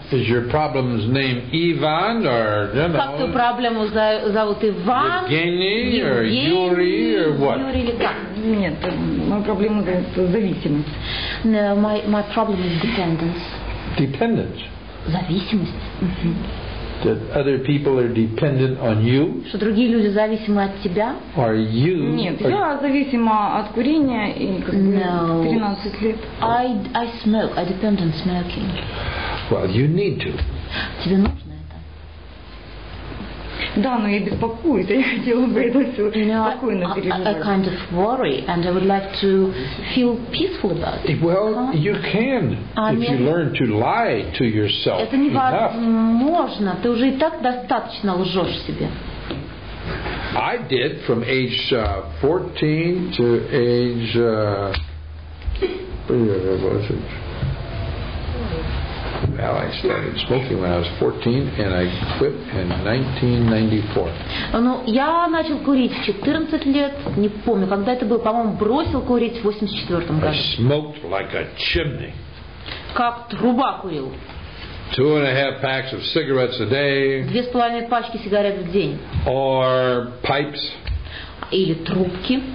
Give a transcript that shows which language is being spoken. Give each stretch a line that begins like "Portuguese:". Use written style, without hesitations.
English: Is your problem's name Ivan or, you know?
Russian: Как твою проблему зовут Иван?
English: Евгений or Юрий or what?
Russian: Нет, моя проблема это зависимость.
English: No, my problem is dependence. Dependence.
Russian: Зависимость.
English: That other people are dependent on you?
Russian: Что другие люди зависимы от тебя?
English: Are you?
Russian: Нет, я зависима от курения и как 13 лет.
English: I smoke. I depend on smoking. Well, you need to.
Russian: Тебе нужно это. Да, но я беспокоюсь. Я хотела бы это все спокойно переживать.
English: I kind of worry, and I would like to feel peaceful about it. Well, you can if you learn to lie to yourself.
Russian: Это невозможно. Ты уже и так достаточно лжешь себе.
English: I did from age 14 to age. Well, I started smoking when I was 14, and I quit in 1994.
Russian: Ну, я начал курить в 14 лет. Не помню, когда это было. По-моему, бросил курить в 84 году.
English: I smoked like a chimney.
Russian: Как труба курил.
English: 2.5 packs of cigarettes a day.
Russian: 2.5 пачки сигарет в день.
English: Or pipes.
Russian: или трубки,